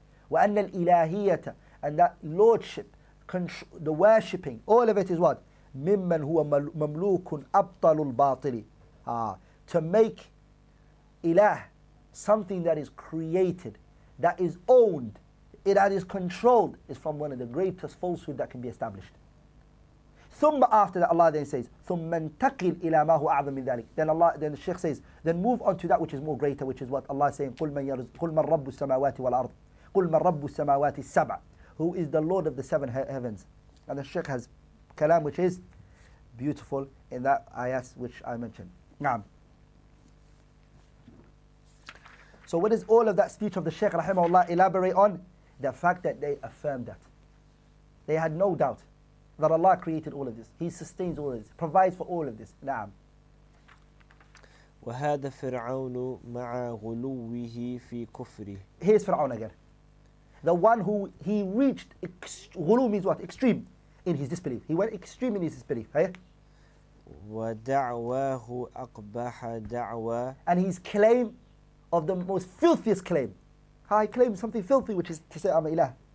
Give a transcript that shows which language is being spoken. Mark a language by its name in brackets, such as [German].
[Arabic] وَأَنَّ الْإِلَهِيَّةَ, [English] and that lordship, the worshipping, all of it is what? [Arabic] مِمَّنْ هُوَ مَمْلُوكٌ أَبْطَلُ الْبَاطِلِ, [English] to make إِلَه, something that is created, that is owned, that is controlled, is from one of the greatest falsehoods that can be established. [Arabic] ثم, [English] after that Allah then says, [Arabic] ثم انتقل إلى ما هو أعظم من ذلك. [English] Then Allah, then the Sheikh says, then move on to that which is more greater, which is what Allah is saying, [Arabic] قل من يرزق, قل من رب السماوات والأرض, قل من رب السماوات السبع, [English] who is the Lord of the seven heavens. And the Sheikh has kalam which is beautiful in that ayat which I mentioned. [Arabic] نعم. [English] So what is all of that speech of the Sheikh rahimahullah elaborate on? The fact that they affirmed that. They had no doubt that Allah created all of this. He sustains all of this, provides for all of this. [Arabic] نعم. وهذا فرعون مع غلوه في كفره. [English] Here's Fir'aun again. The one who he reached, غلو means what? Extreme in his disbelief. He went extreme in his disbelief. [Arabic] ودعواه أقبح دعوى. [English] And his claim of the most filthiest claim. I claim something filthy, which is to say I'm ilah.